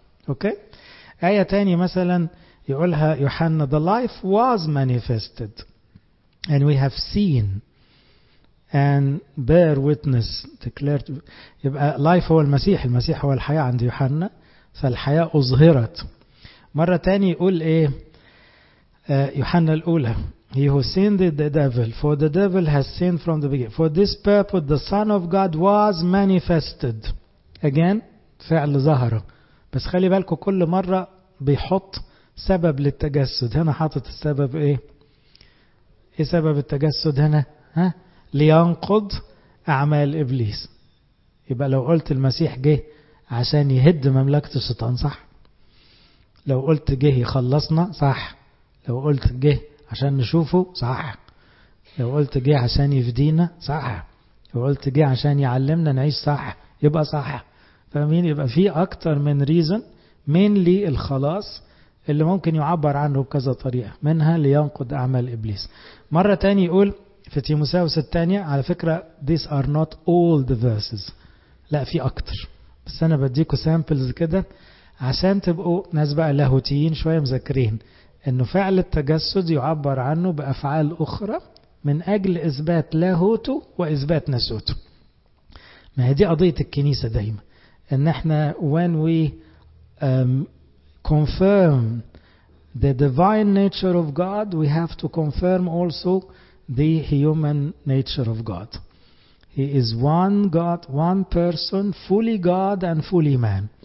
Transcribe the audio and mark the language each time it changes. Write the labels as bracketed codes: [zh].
[ar] اوكي ايه تاني مثلا يقولها يوحنا, [en] the life was manifested and we have seen and bear witness declared, [ar] يبقى life هو المسيح, المسيح هو الحياة عند يوحنا, فالحياة أظهرت. مرة تاني يقول إيه يوحنا الأولى, [en] he who sinned the devil, for the devil has sinned from the beginning, for this purpose the son of God was manifested, again [ar] فعل ظهر, بس خلي بالكوا كل مرة بيحط سبب للتجسد, هنا حاطط السبب ايه, إيه سبب التجسد هنا؟ ها؟ لينقض أعمال إبليس. يبقى لو قلت المسيح جه عشان يهد مملكة الشيطان صح؟ لو قلت جه يخلصنا صح؟ لو قلت جه عشان نشوفه صح؟ لو قلت جه عشان يفدينا صح؟ لو قلت جه عشان يعلمنا نعيش صح؟ يبقى صح. فمين يبقى في أكتر من ريزن من للخلاص اللي ممكن يعبر عنه بكذا طريقة، منها لينقض أعمال إبليس. مرة تانية يقول في تيموثاوس الثانية، على فكرة [en] these are not all the verses، [ar] لا في أكتر، بس أنا بديكوا سامبلز كده عشان تبقوا ناس بقى لاهوتيين شوية مذكرين أنه فعل التجسد يعبر عنه بأفعال أخرى من أجل إثبات لاهوته وإثبات ناسوته. ما هي دي قضية الكنيسة دايما، أن احنا [en] when we confirm the divine nature of God we have to confirm also the human nature of God. He is one God, one person, fully God and fully man.